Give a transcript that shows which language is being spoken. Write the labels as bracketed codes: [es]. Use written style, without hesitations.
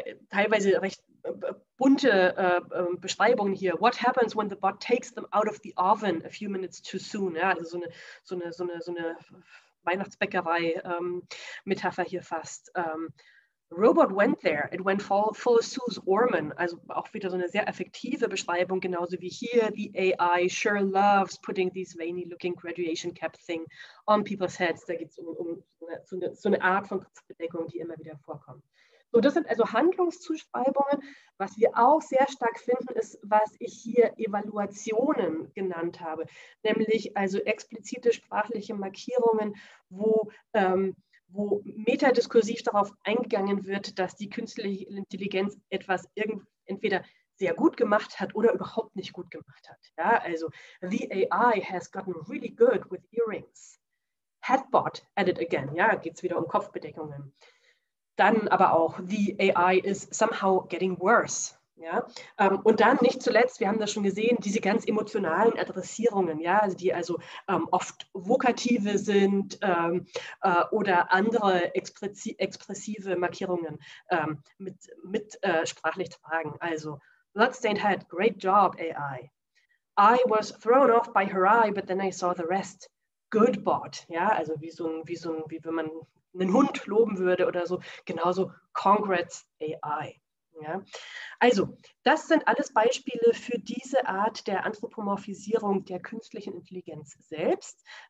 [de] Teilweise recht bunte Beschreibungen hier. [en] What happens when the bot takes them out of the oven a few minutes too soon? [de] Ja, also so eine Weihnachtsbäckerei-Metapher hier fast. [en] Robot went there. It went full Sue's Orman. [de] Also auch wieder so eine sehr effektive Beschreibung, genauso wie hier. [en] The AI sure loves putting these veiny looking graduation cap thing on people's heads. [de] Da geht es um so eine Art von Kopfbedeckung, die immer wieder vorkommt. So, das sind also Handlungszuschreibungen. Was wir auch sehr stark finden, ist, was ich hier Evaluationen genannt habe, nämlich also explizite sprachliche Markierungen, wo metadiskursiv darauf eingegangen wird, dass die künstliche Intelligenz etwas entweder sehr gut gemacht hat oder überhaupt nicht gut gemacht hat. Ja, also, [en] the AI has gotten really good with earrings. Headbot at it again. [de] Ja, geht es wieder um Kopfbedeckungen. Dann aber auch, [en] the AI is somehow getting worse. [de] Ja? Und dann nicht zuletzt, wir haben das schon gesehen, diese ganz emotionalen Adressierungen, ja, die also oft Vokative sind oder andere expressive Markierungen mit sprachlich tragen. [en] Also, Bloodstained Head, great job, AI. I was thrown off by her eye, but then I saw the rest. Good bot, [de] ja, also wie wenn man einen Hund loben würde oder so, genauso [en] Congrats AI. [de] Ja. Also, das sind alles Beispiele für diese Art der Anthropomorphisierung der künstlichen Intelligenz selbst.